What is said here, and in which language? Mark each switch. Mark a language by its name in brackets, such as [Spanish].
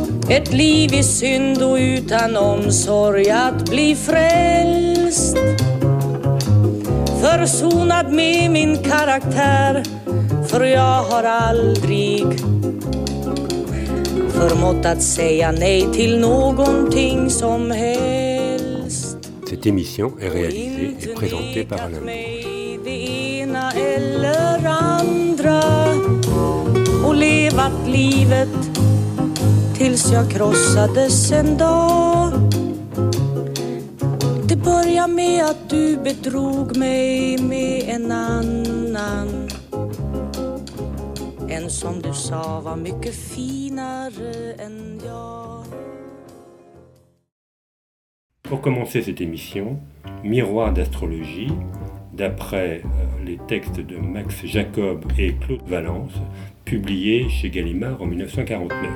[Swedish] Ett liv i synd och utan omsorg att bli frälst. Försonad med min karaktär, för jag har aldrig förmått att säga nej till någonting som helst. [French] Cette émission est réalisée et présentée par Alain Brouche. [Swedish] Det ena eller andra och levat livet tills jag krossades en dag. Det börjar med att du bedrog mig med en annan, en som du sa var mycket finare än jag. [French] Pour commencer cette émission, miroir d'astrologie d'après les textes de Max Jacob et Claude Valence, publiés chez Gallimard en 1949.